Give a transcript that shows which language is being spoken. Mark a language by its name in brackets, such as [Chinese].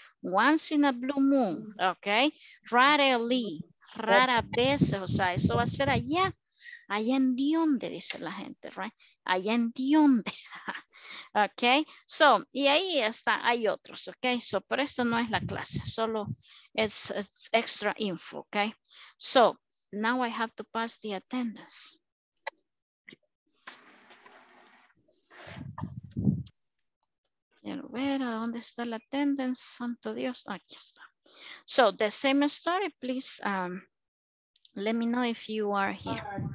[English] Once in a blue moon, [Spanish] ok. [English] Rarely, [Spanish] rara vez, o sea, eso va a ser allá. Allá en Dionde, dice la gente, right? Allá en Dionde. Ok, so, y ahí está, hay otros, ok. So, pero esto no es la clase, solo [English] it's extra info, [Spanish] ok. [English] So, now I have to pass the attendance. [Spanish] Quiero ver a dónde está la attendance, santo Dios, aquí está. [English] So, the same story, please let me know if you are here.